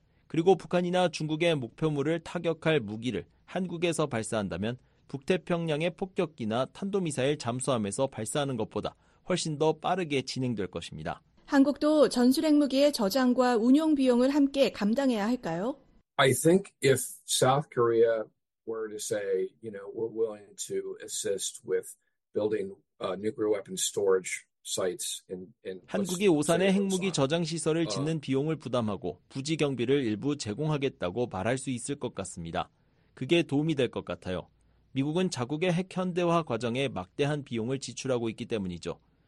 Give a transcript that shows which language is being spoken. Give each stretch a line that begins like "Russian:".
Korean: 그리고 북한이나 중국의 목표물을 타격할 무기를 한국에서 발사한다면 북태평양의 폭격기나 탄도미사일 잠수함에서 발사하는 것보다 훨씬 더 빠르게 진행될 것입니다. 한국도 전술 핵무기의 저장과 운용 비용을 함께 감당해야 할까요?
English: I think if South Korea were to say, you know, we're willing to assist with building nuclear weapons storage sites in
Korean: 한국이 오산에 핵무기 저장 시설을 짓는 비용을 부담하고 부지 경비를 일부 제공하겠다고 말할 수 있을 것 같습니다. 그게 도움이 될 것 같아요. 미국은 자국의 핵 현대화 과정에 막대한 비용을 지출하고 있기 때문이죠.